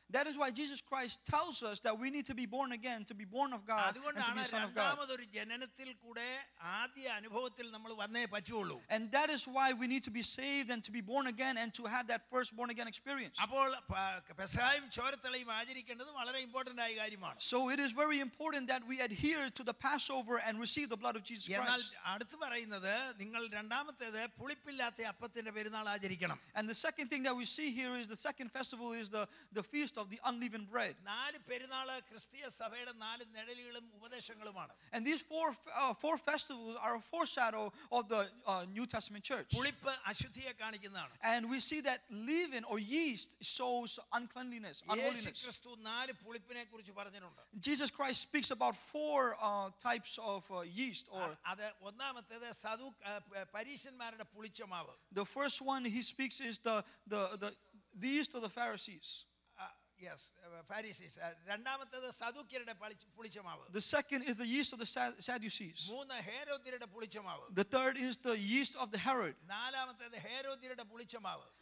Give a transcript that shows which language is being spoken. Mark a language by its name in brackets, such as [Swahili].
[English] That is why Jesus Christ tells us that we need to be born again, to be born of God, and to be son of God. [Malayalam] ഒരു ജനനത്തിൽ കൂടെ ആദ്യ അനുഭവത്തിൽ നമ്മൾ വന്നേ പറ്റുള്ളൂ. [English] And that is why we need to be saved and to be born again and to have that first born again experience. [Malayalam] അപ്പോൾ പെസഹയും ചോരത്തളയും ആചരിക്കേണ്ടത് വളരെ important ആയ കാര്യമാണ്. [English] So it is very important that we adhere to the Passover and receive the blood of Jesus Christ. [Malayalam] എന്നാൽ അടുത്ത് പറയുന്നത് നിങ്ങൾ രണ്ടാമത്തേത് പുളിപ്പില്ലാത്ത അപ്പത്തിന്റെ പെരുന്നാൾ ആചരിക്കണം. [English] And the second thing that we see here is the second festival is the feast of the unleavened bread. [Malayalam] നാല് പെരുന്നാള് ക്രിസ്തീയ സഭയുടെ നാല് നിഴലുകളും ഉപദേശങ്ങളുമാണ്. [English] And these four festivals are a foreshadow of the New Testament church. [Malayalam] പുളിപ്പ് അശുദ്ധിയെ കാണിക്കുന്നതാണ്. [English] And we see that leaven or yeast shows uncleanliness, unholiness. [Malayalam] യേശുക്രിസ്തു നാല് പുളിപ്പിനെ കുറിച്ച് പറഞ്ഞിട്ടുണ്ട്. [English] Jesus Christ speaks about four types of yeast or [Malayalam] അത് ഒന്നാമത്തേത് സദൂക്ക് പരീശന്മാരുടെ പുളിച്ച മാവ്. [English] The first one he speaks is the yeast of the Pharisees. Yes, Pharisees. [Malayalam] രണ്ടാമത്തേ സദൂക്കിയരുടെ പുളിച്ചമാവ്. [English] The second is the yeast of the Sadducees. [Malayalam] മൂന്ന് ഹെരോദ്യരുടെ പുളിച്ചമാവ്. [English] The third is the yeast of the Herod. [Malayalam] നാലാമത്തേ ഹെരോദ്യരുടെ പുളിച്ചമാവ്.